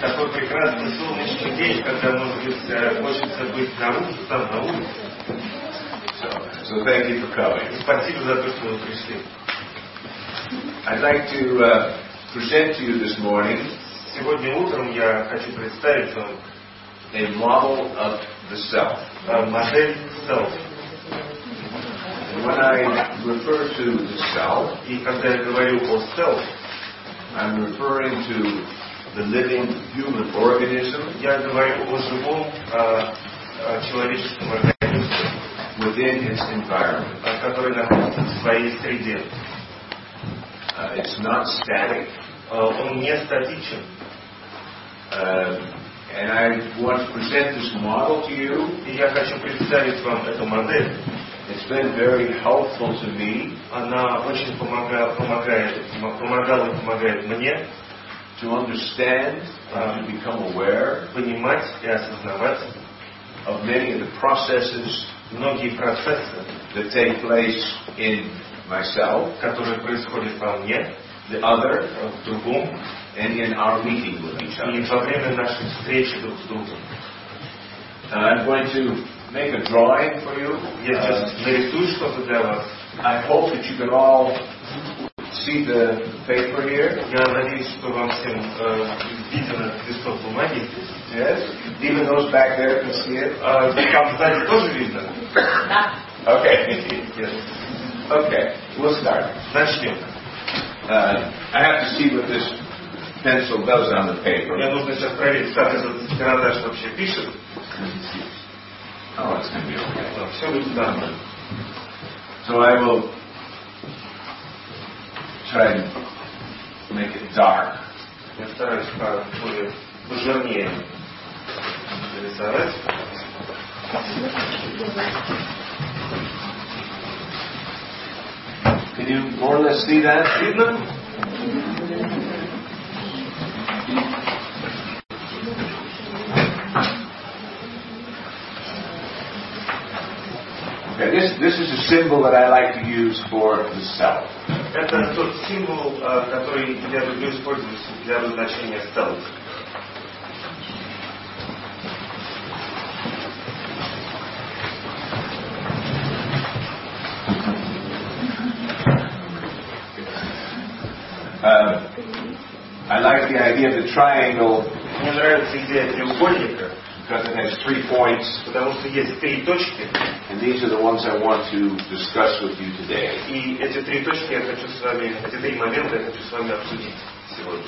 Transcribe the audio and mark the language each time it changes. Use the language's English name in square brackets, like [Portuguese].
[Russian] Такой прекрасный солнечный день, когда хочется быть на улице, там на улице. [English] So thank you for coming. [Russian] Спасибо за то, что вы пришли. [English] I'd like to present to you this morning. [Russian] Сегодня утром я хочу представить вам [English] a model of the self. [Russian] Модель self. [English] When I refer to the self, [Russian] и когда я говорю о self, [English] I'm referring to the living human organism. [Russian] Я говорю о живом человеческом организме. [English] Within its environment, [Russian] который находится в своей среде. [English] It's not static. [Russian] Он не статичен. [English] And I want to present this model to you. [Russian] И я хочу представить вам эту модель. [English] It's been very helpful to me. [Russian] Она очень помогала и помогает мне [English] to understand, to become aware, [Russian] понимать и осознавать [English] of many of the processes, [Russian] многие процессы, [English] that take place in myself, [Russian] которые происходят во мне, [English] the other, [Russian] в другом, [English] and in our meeting with each other. [Russian] И во время нашей встречи друг с другом. [English] I'm going to make a drawing for you. [Russian] Я сейчас нарисую что-то для вас. [English] I hope that you can all see the paper here. [Russian] Я надеюсь, что вам всем виден листок бумаги. [English] Yes. Even those back there can see it. [Russian] Там сзади тоже видно. Да. [English] Okay. Yes. Okay. We'll start. [Russian] Начнем. [English] I have to see what this pencil does on the paper. [Russian] Мне нужно сейчас проверить, как этот карандаш вообще пишет. [English] Oh, it's gonna be okay. [Russian] Все будет нормально. [English] So I will try and make it dark. [Russian] Я стараюсь более пожирнее нарисовать. [English] Can you more or less see that? [Russian] Видно? [English] Okay, this is a symbol that I like to use for the self. [Russian] Это тот символ, который я люблю использовать для обозначения self. [English] I like the idea of the triangle. [Russian] Мне нравится идея треугольника. [English] Because it has three points. [Russian] Потому что есть три точки. [English] And these are the ones I want to discuss with you today. [Russian] И эти три точки я хочу с вами, эти три момента я хочу с вами обсудить сегодня.